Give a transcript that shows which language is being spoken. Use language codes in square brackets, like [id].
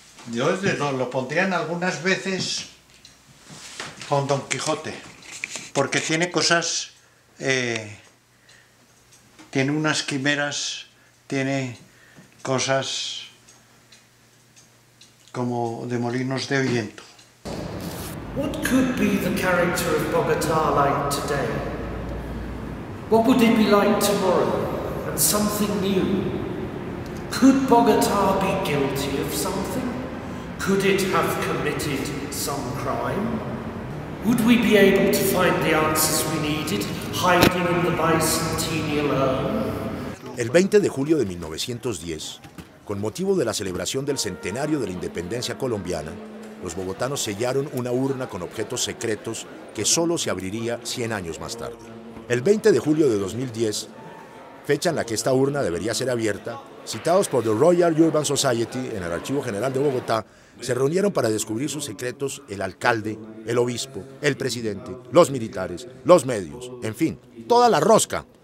[es] Yo lo pondría en algunas veces con Don Quijote, porque tiene cosas, tiene unas quimeras, tiene cosas como de molinos de viento. [en] What could be the character of Bogotá like today? What would it be like tomorrow? And something new. Could Bogotá be guilty of something? Could it have committed some crime? Would we be able to find the answers we needed hiding in the bicentennial urn? [es] El 20 de julio de 1910, con motivo de la celebración del centenario de la independencia colombiana, los bogotanos sellaron una urna con objetos secretos que solo se abriría 100 años más tarde. El 20 de julio de 2010, fecha en la que esta urna debería ser abierta, citados por The Royal Urban Society en el Archivo General de Bogotá, se reunieron para descubrir sus secretos el alcalde, el obispo, el presidente, los militares, los medios, en fin, toda la rosca.